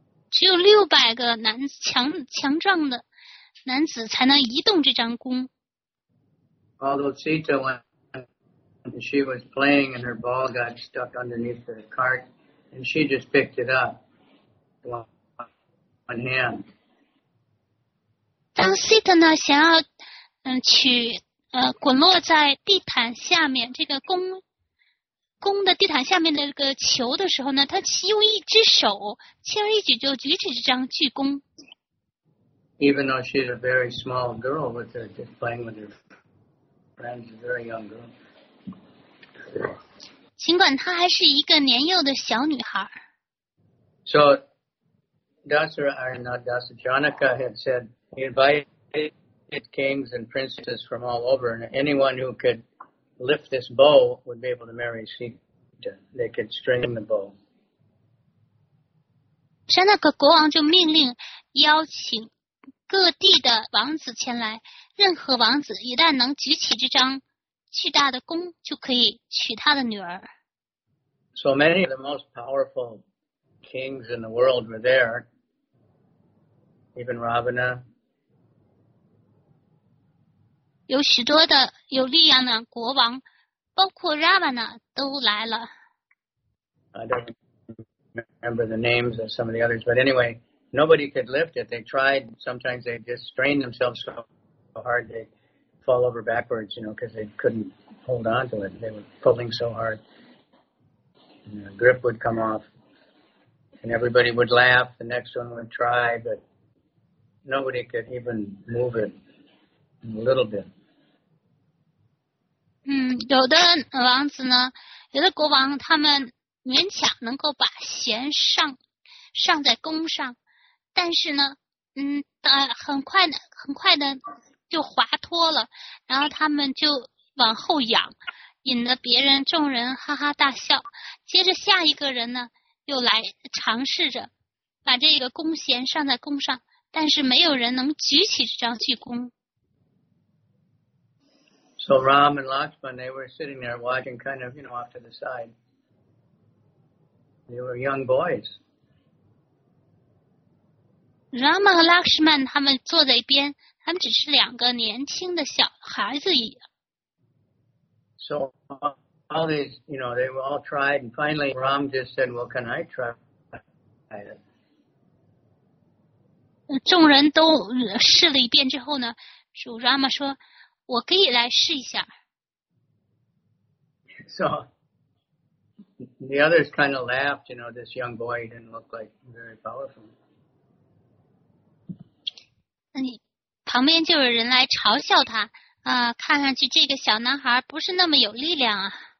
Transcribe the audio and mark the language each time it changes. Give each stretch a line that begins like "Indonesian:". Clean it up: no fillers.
Chinese: 只有600个强壮的男子才能移动这张弓。
English: Although Sita, when she was playing and her ball got stuck underneath the cart, and she just picked it up with one hand.
Chinese: 当Sita呢想要取滚落在地毯下面，这个弓的地毯下面的这个球的时候呢，他用一只手轻而易举就举起这张巨弓。
English: Even though she's a very small girl, but they're just playing with her friends, a very young girl.
Chinese: 尽管她还是一个年幼的小女孩。
English: So, Dasa Janaka had said, he invited kings and princesses from all over, and anyone who could lift this bow would be able to marry Sita. They could string the bow.
Chinese: Janaka 国王就命令邀请各地的王子前来，任何王子一旦能举起这张巨大的弓，就可以娶他的女儿。
English: So many of the most powerful kings in the world were there, even Ravana.
Chinese: 有许多的有力量的国王，包括 Ravana 都来了。
English: I don't remember the names of some of the others, but anyway. Nobody could lift it. They tried. Sometimes they just strained themselves so hard they'd fall over backwards, you know, because they couldn't hold on to it. They were pulling so hard. And the grip would come off. And everybody would laugh. The next one would try, but nobody could even move it a little bit.
Chinese: 有的王子呢，有的国王他们勉强能够把弦上在弓上。但是呢，很快的就滑脱了，然后他们就往后仰，引得别人众人哈哈大笑。接着下一个人呢，又来尝试着把这个弓弦上在弓上，但是没有人能举起这张巨弓。
English: So Ram and Lakshman, they were sitting there watching, kind of, you know, off to the side. They were young boys.
Chinese: Rama 和 Lakshman 他们坐在一边，他们只是两个年轻的小孩子一样。
English: So all these, you know, they were all tried, and finally Ram just said, "Well, can I try?"
Chinese: 众人都试了一遍之后呢，主 Rama 说，我可以来试一下。
English: So the others kind of laughed, you know, this young boy didn't look like very powerful.
Chinese: 旁边就有人来嘲笑他啊，看上去这个小男孩不是那么有力量啊。